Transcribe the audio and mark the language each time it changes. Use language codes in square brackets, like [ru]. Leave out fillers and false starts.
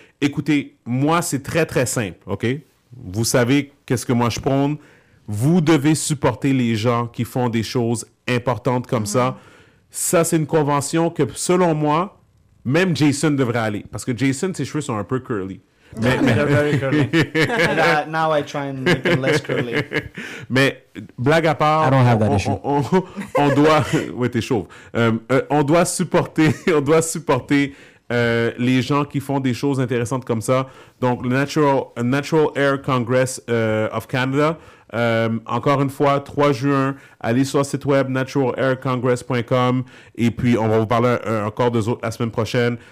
[fr] Écoutez, moi c'est très très simple, OK? Vous savez qu'est-ce que moi je prône. Vous devez supporter les gens qui font des choses importantes comme ça. Ça, c'est une convention que, selon moi, même Jason devrait aller. Parce que Jason, ses cheveux sont un peu curly. [en] Mais... They're very curly. Now I try and make them less curly. [fr] Mais, blague à part... [en] I don't have that issue. [fr] On doit... Oui, t'es chauve. On doit supporter les gens qui font des choses intéressantes comme ça. Donc, le Natural Air Congress of Canada... encore une fois, 3 juin, allez sur le site web naturalaircongress.com et puis on va vous parler encore d'eux autres la semaine prochaine.